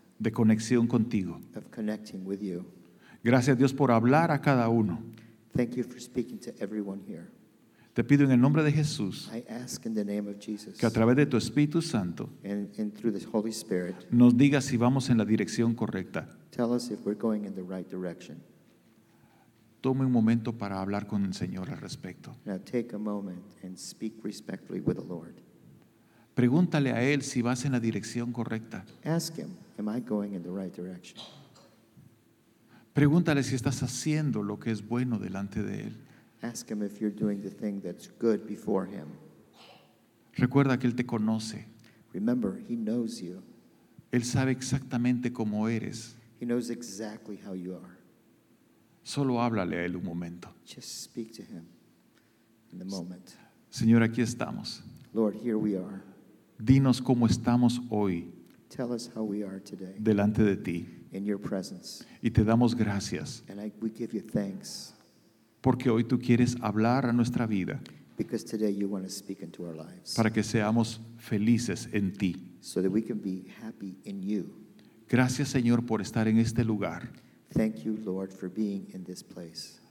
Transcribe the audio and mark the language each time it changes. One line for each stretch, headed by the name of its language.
Spanish: De conexión contigo.
English: Of connecting with you.
Spanish: Gracias a Dios por hablar a cada uno.
English: Thank you for speaking to everyone here.
Spanish: Te pido en el nombre de Jesús,
English: I ask in the name of Jesus,
Spanish: que a través de tu Espíritu Santo
English: and through the Holy Spirit,
Spanish: nos digas si vamos en la dirección correcta.
English: Tell us if we're going in the right direction.
Spanish: Tome un momento para hablar con el Señor al respecto.
English: Now take a moment and speak respectfully with the Lord.
Spanish: Pregúntale a Él si vas en la dirección correcta.
English: Ask him, am I going in the right direction?
Spanish: Pregúntale si estás haciendo lo que es bueno delante de Él.
English: Ask him if you're doing the thing that's good before him.
Spanish: Recuerda que Él te conoce.
English: Remember, he knows you.
Spanish: Él sabe exactamente cómo eres.
English: He knows exactly how you are.
Spanish: Solo háblale a Él un momento.
English: Just speak to him in the moment.
Spanish: Señor, aquí estamos.
English: Lord, here we are.
Spanish: Dinos cómo estamos hoy.
English: Tell us how we are today.
Spanish: Delante de ti.
English: In your presence.
Spanish: Y te damos gracias.
English: And we give you thanks.
Spanish: Porque hoy tú quieres hablar a nuestra vida.
English: Because today you want to speak into our lives.
Spanish: Para que seamos felices en ti.
English: So that we can be happy in you.
Spanish: Gracias, Señor, por estar en este lugar.
English: Thank you, Lord, for being in this place.